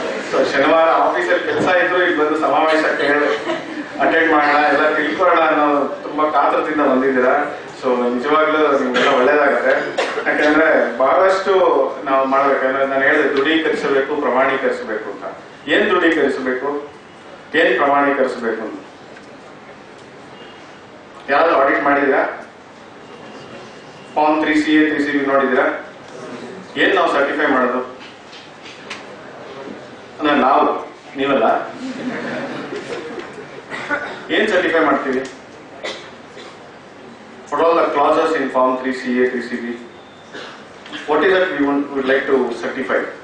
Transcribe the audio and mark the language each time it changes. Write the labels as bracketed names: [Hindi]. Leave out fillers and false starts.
[Kannada] So ಶನಿವಾರ ಆಫೀಸಲ್ಲಿ ಕೆಲಸ ಇದ್ರು ಇಲ್ಲಿ ಬಂದು ಸಮಾವೇಶಕ್ಕೆ ಅಟೆಂಡ್ ಮಾಡೋಣ, ಎಲ್ಲ ತಿಳ್ಕೊಳ್ಳೋಣ ಅನ್ನೋ ತುಂಬಾ ಕಾತರದಿಂದ ಬಂದಿದ್ದೀರಾ. ಸೊ ನಿಜವಾಗ್ಲೂ ನಿಮ್ಗೆಲ್ಲ ಒಳ್ಳೇದಾಗತ್ತೆ. ಯಾಕಂದ್ರೆ ಬಹಳಷ್ಟು ನಾವು ಮಾಡ್ಬೇಕು. ಯಾಕಂದ್ರೆ ನಾನು ಹೇಳಿದೆ ದೃಢೀಕರಿಸಬೇಕು ಪ್ರಮಾಣೀಕರಿಸಬೇಕು ಅಂತ. ಏನ್ ದೃಢೀಕರಿಸಬೇಕು, ಏನ್ ಪ್ರಮಾಣೀಕರಿಸಬೇಕು ಅಂತ? ಯಾವ್ದು ಆಡಿಟ್ ಮಾಡಿದ್ರಾ? Form 3CA 3CB ನೋಡಿದಿರ? ಏನ್ ನಾವು ಸರ್ಟಿಫೈ ಮಾಡೋದು ಅಂದ್ರೆ ನಾವು ನೀವಲ್ಲ, ಏನ್ ಸರ್ಟಿಫೈ ಮಾಡ್ತೀವಿ? [English] What are the classes in form 3CA 3CB? What is that we want would like to certify?